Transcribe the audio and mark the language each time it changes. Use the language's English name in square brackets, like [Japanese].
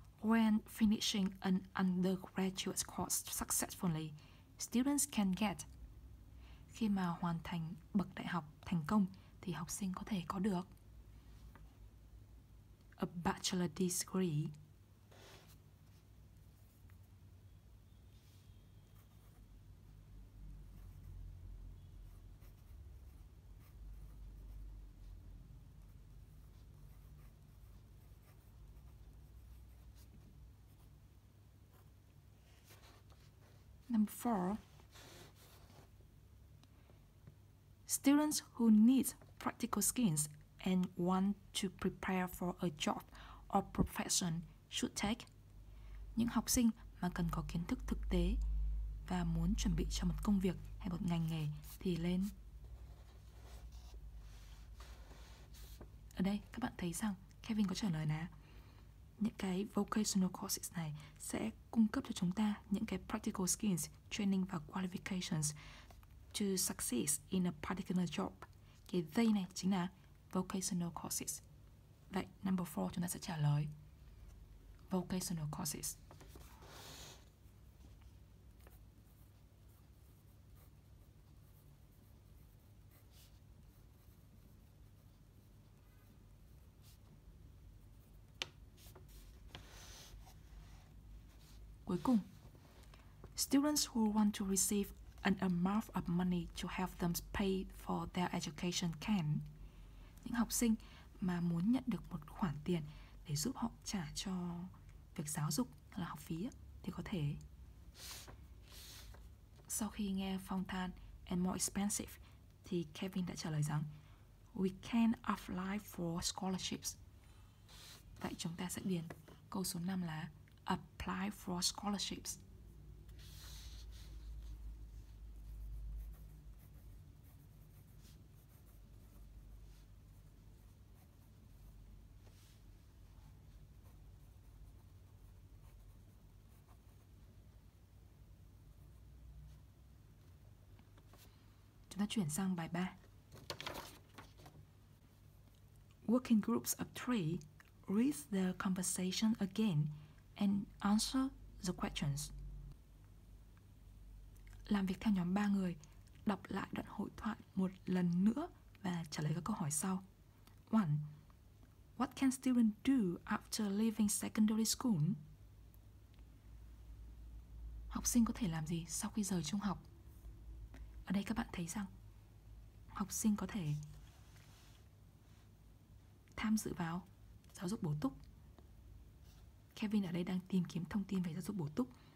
[English] When finishing an undergraduate course successfully, students can get. [Vietnamese] Khi mà hoàn thành bậc đại học thành công thì học sinh có thể có được [English] a bachelor's degree. Number 4. Students who need practical skills and want to prepare for a job or profession should take. [Vietnamese] Những học sinh mà cần có kiến thức thực tế và muốn chuẩn bị cho một công việc hay một ngành nghề thì lên. Ở đây các bạn thấy rằng Kevin có trả lời là những cái vocational courses này sẽ cung cấp cho chúng ta những cái practical skills, training và [English] qualifications to succeed in a particular job. [Vietnamese] Cái they này chính là vocational courses. Vậy, number 4 chúng ta sẽ trả lời vocational courses. Cuối cùng, [English] students who want to receive an amount of money to help them pay for their education can. [Vietnamese] Những học sinh mà muốn nhận được một khoản tiền để giúp họ trả cho việc giáo dục hay là học phí thì có thể. Sau khi nghe phong than [English] and more expensive [Vietnamese] thì Kevin đã trả lời rằng [English] we can apply for scholarships. [Vietnamese] Vậy chúng ta sẽ điền câu số 5 là [English] apply for scholarships. [Vietnamese] Chúng ta chuyển sang bài 3. [English] Working groups of three, read the conversation again and answer the questions. [Vietnamese] Làm việc theo nhóm 3 người, đọc lại đoạn hội thoại một lần nữa và trả lời các câu hỏi sau. 1. [English] What can students do after leaving secondary school? [Vietnamese] Học sinh có thể làm gì sau khi rời trung học? Ở đây các bạn thấy rằng học sinh có thể tham dự vào giáo dục bổ túc. Kevin ở đây đang tìm kiếm thông tin về giáo dục bổ túc.